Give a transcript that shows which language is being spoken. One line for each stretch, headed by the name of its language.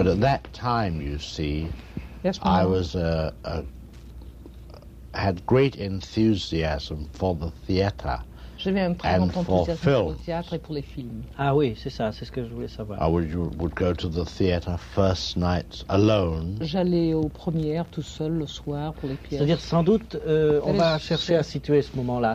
English: But at that time, you see, I was had great enthusiasm for the theater.
French: J'avais un très grand enthousiasme pour le théâtre et pour les films. Ah oui, c'est ça, c'est ce que je voulais savoir.
English: I would go to the theater first night alone.
French: J'allais aux premières tout seul le soir pour les pièces. C'est-à-dire sans doute on va chercher à situer ce moment-là.